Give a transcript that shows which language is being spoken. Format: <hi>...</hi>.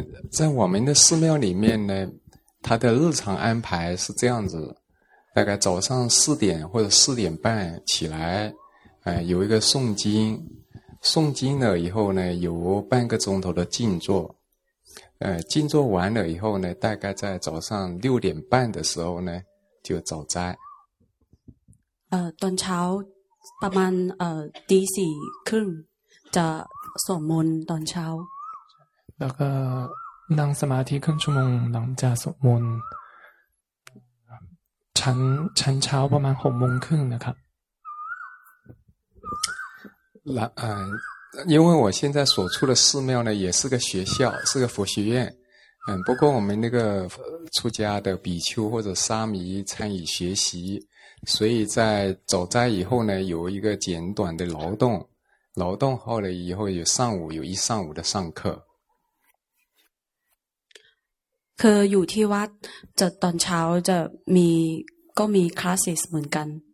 <zh>在我们的寺庙里面呢它的日常安排是这样子，大概早上四点或者四点半起来，有一个诵经了以后呢有半个钟头的静坐，静坐完了以后呢大概在早上6点半的时候呢就早斋。</zh> <th>ตอนเช้าประมาณตีสี่ครึ่งจะสวดมนต์ตอนเช้า แล้วก็นั่งสมาธิครึ่งชั่วโมงหลังจากสวดมนต์ฉันเช้าประมาณ6:30นะครับ</th> <zh>因为我现在所处的寺庙呢也是个学校，是个佛学院，不过我们那个出家的比丘或者沙弥参与学习，所以在早斋以后呢有一个简短的劳动后了以后有一上午的上课。</zh> <th>คืออยู่ที่วัดจะตอนเช้าจะมีก็มี classes เหมือนกัน</th>